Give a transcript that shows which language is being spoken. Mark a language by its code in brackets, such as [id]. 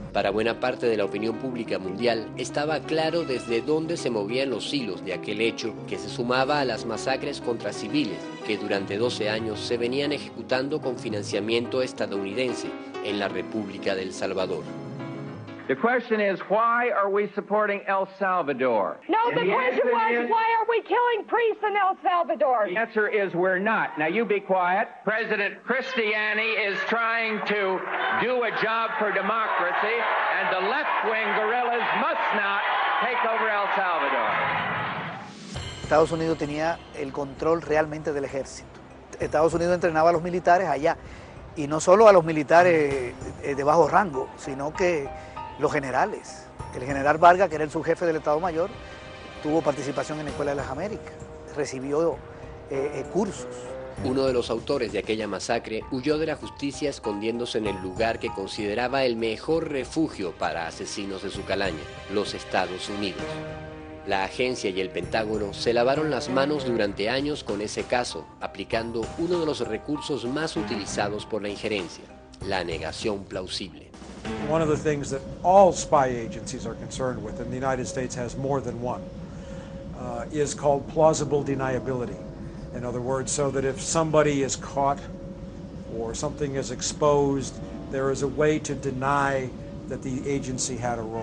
[es] Para buena parte de la opinión pública mundial, estaba claro desde dónde se movían los hilos de aquel hecho que se sumaba a las masacres contra civiles que durante 12 años se venían ejecutando con financiamiento estadounidense en la República del Salvador. [en] The question is, why are we supporting El Salvador? No, the question was, why are we killing priests in El Salvador? The answer is, we're not. Now you be quiet. President Christiani is trying to do a job for democracy, and the left-wing guerrillas must not take over El Salvador. [es] Estados Unidos tenía el control realmente del ejército. Estados Unidos entrenaba a los militares allá, y no solo a los militares de bajo rango, sino que los generales. El general Vargas, que era el subjefe del Estado Mayor, tuvo participación en la Escuela de las Américas, recibió cursos. Uno de los autores de aquella masacre huyó de la justicia escondiéndose en el lugar que consideraba el mejor refugio para asesinos de su calaña, los Estados Unidos. La agencia y el Pentágono se lavaron las manos durante años con ese caso, aplicando uno de los recursos más utilizados por la injerencia, la negación plausible. [en] One of the things that all spy agencies are concerned with, and the United States has more than one, is called plausible deniability. In other words, so that if somebody is caught or something is exposed, there is a way to deny that the agency had a role.